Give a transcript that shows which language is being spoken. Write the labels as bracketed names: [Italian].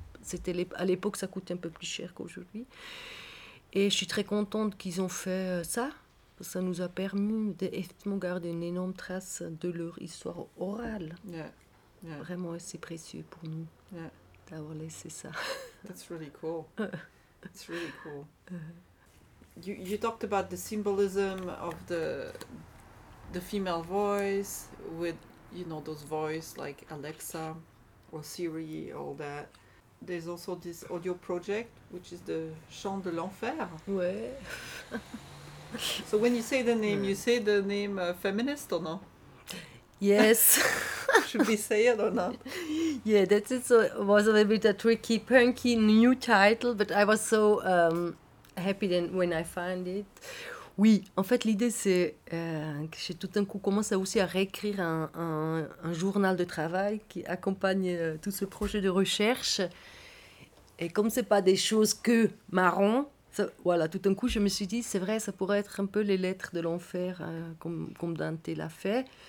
[French] C'était à l'époque, ça coûtait un peu plus cher qu'aujourd'hui. Et je suis très contente qu'ils ont fait ça. Ça nous a permis d'effectivement garder une énorme trace de leur histoire orale. [English] Yeah. Yeah. [French] Vraiment, c'est précieux pour nous d'avoir laissé ça. [English] That's really cool. That's really cool. You talked about the symbolism of the female voice with, you know, those voices like Alexa or Siri, all that. There's also this audio project, which is the Chant de l'Enfer. [French] Ouais. [English] So when you say the name, you say the name feminist or not? Yes. Should we say it or not? Yeah, that was a little bit a tricky, punky new title, but I was so happy then when I found it. [French] Oui, en fait, l'idée, c'est que j'ai tout d'un coup commencé aussi à réécrire un journal de travail qui accompagne tout ce projet de recherche. Et comme ce n'est pas des choses que marrant, ça, voilà, tout d'un coup, je me suis dit, c'est vrai, ça pourrait être un peu les lettres de l'enfer, comme Dante l'a fait.